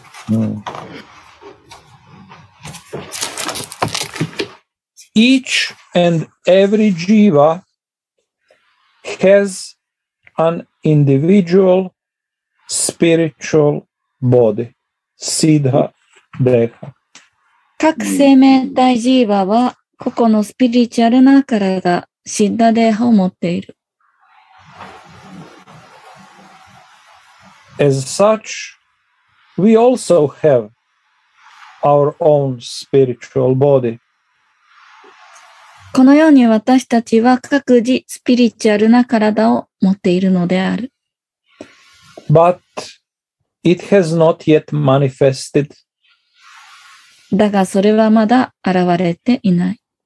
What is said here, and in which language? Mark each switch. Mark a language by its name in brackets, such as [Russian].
[English] うん、Each and every jiva has an individual spiritual body, シッタデーハ。 [Japanese] 各生命体ジーバは個々のスピリチュアルな体、シッダデーハを持っている。 [English] As such, we also have our own spiritual body. [Japanese] このように私たちは各自スピリチュアルな体を持っているのである。 [English] But it has not yet manifested. [Japanese] だがそれはまだ現れていない。